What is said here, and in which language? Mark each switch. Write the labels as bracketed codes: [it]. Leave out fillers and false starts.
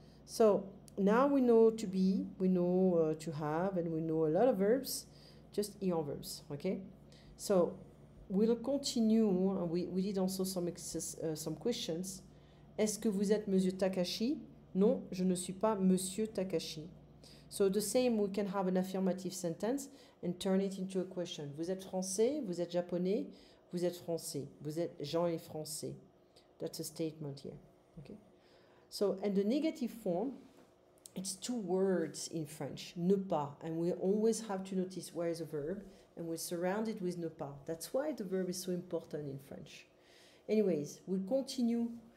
[en] So now we know to be, we know to have, and we know a lot of verbs, just ion verbs, okay? So we'll continue, we did also some questions. [fr] Est-ce que vous êtes Monsieur Takashi? Non, je ne suis pas Monsieur Takashi. [en] So the same, we can have an affirmative sentence and turn it into a question. [fr] Vous êtes français, vous êtes japonais, vous êtes français, vous êtes Jean est français. [en] That's a statement here, okay? So, and the negative form, it's two words in French, ne pas, and we always have to notice where is a verb, and we surround it with ne pas. That's why the verb is so important in French. Anyways, we'll continue.